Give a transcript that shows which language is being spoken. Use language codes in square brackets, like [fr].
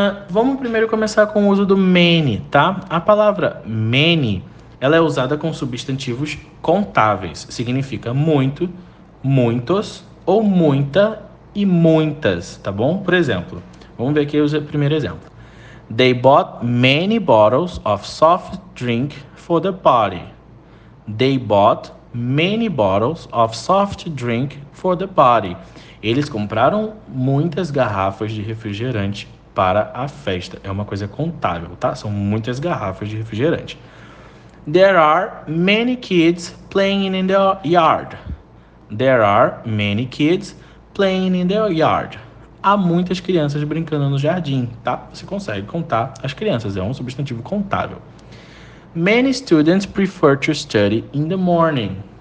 [pt] Vamos primeiro começar com o uso do many, tá? A palavra many, ela é usada com substantivos contáveis. Significa muito, muitos ou muita e muitas, tá bom? Por exemplo, vamos ver aqui o primeiro exemplo. [en] They bought many bottles of soft drink for the party. They bought many bottles of soft drink for the party. [pt] Eles compraram muitas garrafas de refrigerante para a festa. É uma coisa contável, tá? São muitas garrafas de refrigerante. [en] There are many kids playing in the yard. There are many kids playing in the yard. [pt] Há muitas crianças brincando no jardim, tá? Você consegue contar as crianças, é um substantivo contável. [en] Many students prefer to study in the morning.